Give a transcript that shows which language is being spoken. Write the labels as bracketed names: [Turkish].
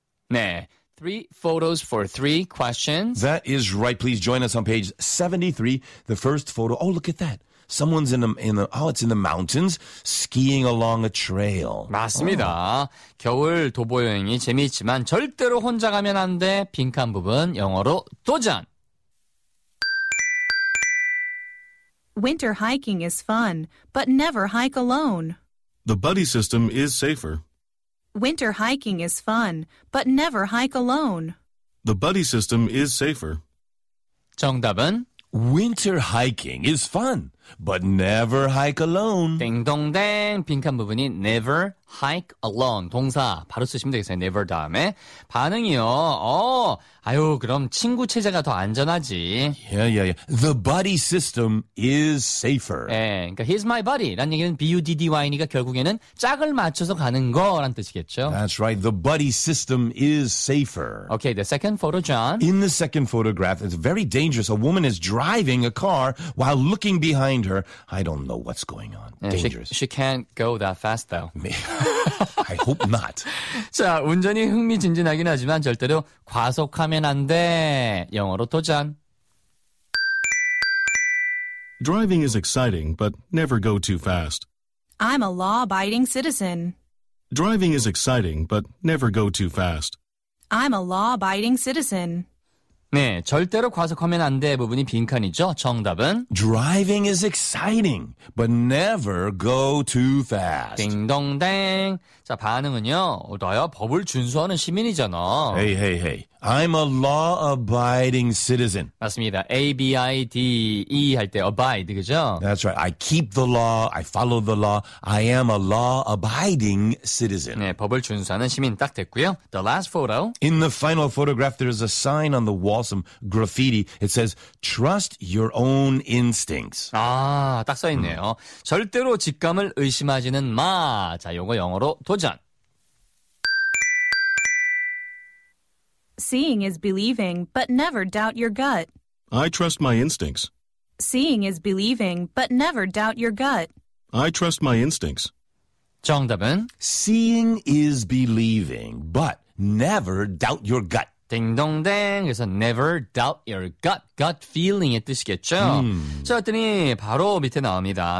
[English] Nah. Three photos for three questions. That is right. Please join us on page 73. The first photo. Oh, look at that. Someone's it's in the mountains, skiing along a trail. [Korean] 맞습니다. Oh. 겨울 도보 여행이 재미있지만 절대로 혼자 가면 안 돼. 빈칸 부분 영어로 도전. [English] Winter hiking is fun, but never hike alone. The buddy system is safer. Winter hiking is fun, but never hike alone. The buddy system is safer. [Korean] 정답은 [English] Winter hiking is fun, But never hike alone. [Korean] 띵동댕. 빈칸 부분이 [English] never hike alone. [Korean] 동사 바로 쓰시면 되겠어요. never 다음에. 반응이요. 아유, 그럼 친구 체제가 더 안전하지. [English] Yeah, yeah, yeah. The buddy system is safer. [Korean] 예, 그러니까 [English] he's my buddy. [Korean] 라는 얘기는 BUDDY니까 결국에는 짝을 맞춰서 가는 거란 뜻이겠죠. [English] That's right. The buddy system is safer. Okay, the second photo, John. In the second photograph, it's very dangerous. A woman is driving a car while looking behind. Behind her, I don't know what's going on. Yeah, dangerous. She can't go that fast, though. I hope not. [Korean] 자, 운전이 흥미진진하긴 하지만 절대로 과속하면 안 돼. 영어로 도전. [English] Driving is exciting, but never go too fast. I'm a law-abiding citizen. Driving is exciting, but never go too fast. I'm a law-abiding citizen. [Korean] 네, 절대로 과속하면 안 돼 부분이 빈칸이죠. 정답은 [English] Driving is exciting, but never go too fast. [Korean] 띵동댕. 자, 반응은요. 나야 법을 준수하는 시민이잖아. [English] Hey, hey, hey. I'm a law-abiding citizen. [Korean] 맞습니다. A-B-I-D-E 할 때 abide, 그죠? [English] That's right. I keep the law. I follow the law. I am a law-abiding citizen. [Korean] 네, 법을 준수하는 시민 딱 됐고요. [English] The last photo. In the final photograph, there is a sign on the wall, some graffiti. It says, trust your own instincts. [Korean] 아, 딱 써있네요. 절대로 직감을 의심하지는 마. 자, 이거 영어로 도전. [English] Seeing is believing, but never doubt your gut. I trust my instincts. Seeing is believing, but never doubt your gut. I trust my instincts. [Korean] 정답은? [English] Seeing is believing, but never doubt your gut. [Korean] 딩동댕. 그래서 [English] never doubt your gut. Gut feeling의 [Korean] 뜻이겠죠? 자, 그랬더니 바로 밑에 나옵니다.